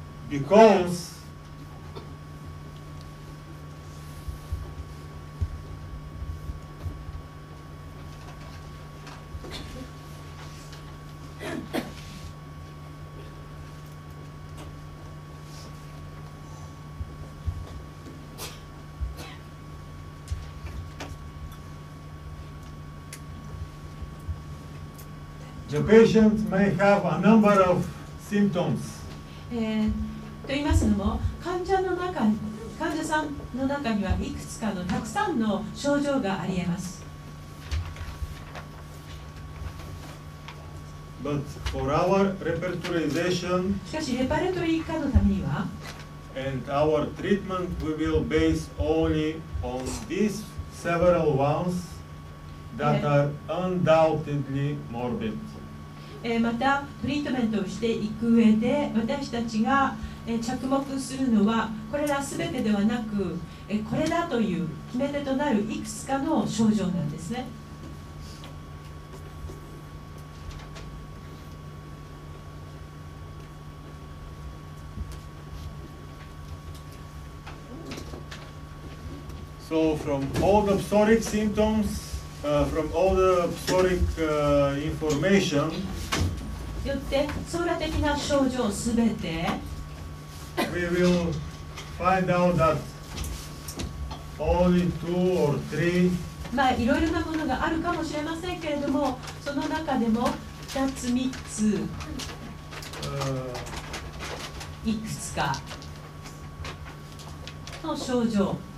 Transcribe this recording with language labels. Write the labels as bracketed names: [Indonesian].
[English] Because the patient may have a number of symptoms. [Japanese] と言いますのも、患者さんの中にはいくつかのたくさんの症状があり得ます。 [English] But for our repertorization, [Japanese] しかしレパルトリー化のためには、 [English] and our treatment we will base only on these several ones that are undoubtedly morbid. [Japanese] またトリートメントをしていく上で私たちが着目するのはこれら全てではなくこれだという決め手となるいくつかの症状なんですね。 [English] So from all the psoriatic symptoms, from all the psoriatic information, we will find out that only two or three. [Japanese] まあ、いろいろなものがあるかもしれませんけれども、その中でも2つ、3つ、いくつかの症状。